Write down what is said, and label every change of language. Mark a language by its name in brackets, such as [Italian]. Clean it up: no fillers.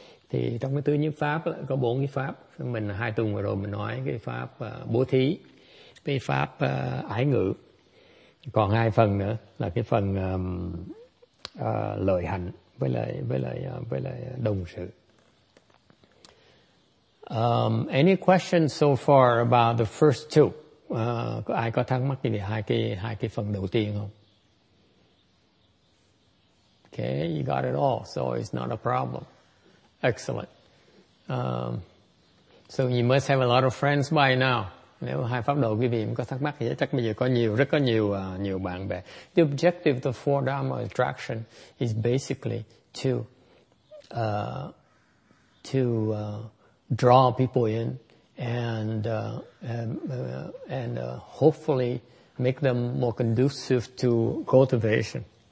[Vietnamese] Thì trong cái tư nhiếp pháp có bốn cái pháp. Mình hai tuần vừa rồi mình nói cái pháp bố thí, cái pháp ái ngữ. Còn hai phần nữa là cái phần lợi hạnh với lại đồng sự. [English] Any questions so far about the first two? [Vietnamese] Có ai có thắc mắc gì về hai cái phần đầu tiên không? [English] Okay, you got it all, so it's not a problem. Excellent. So you must have a lot of friends by now. [Vietnamese] Nếu hai pháp độ quý vị có thắc mắc thì chắc bây giờ có nhiều, rất có nhiều nhiều bạn bè. [English] The objective of the four dharma attraction is basically to draw people in and hopefully make them more conducive to cultivation.